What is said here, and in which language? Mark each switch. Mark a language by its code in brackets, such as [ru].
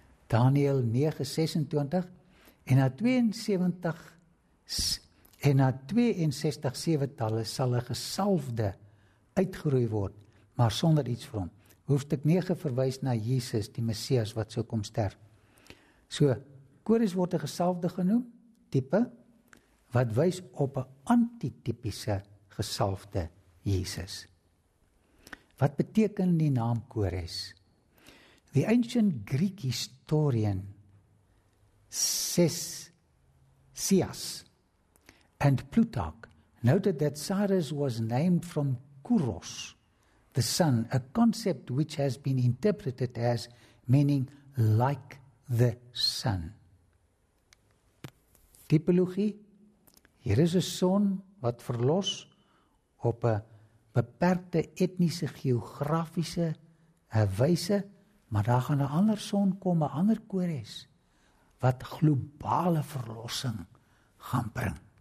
[af] Daniël 9:26 en na 72 en na 62 sewe talle sal 'n gesalfde uitgeroei word, maar sonder iets vir hom. Hoofstuk 9 verwys na Jesus, die Messias, wat sou kom sterf. So, Kores word 'n gesalfde genoem, tipe, wat wys op 'n antitypiese gesalfde Jesus. Wat beteken die naam Kores? [en] The ancient Greek historian Cias and Plutarch noted that Cyrus was named from Kouros, the sun, a concept which has been interpreted as meaning like the sun. [af] Typologie, hier is 'n son wat verlos op 'n beperkte etniese geografiese wyse, maar daar gaan 'n ander son kom, 'n ander Kores, wat globale verlossing gaan bring.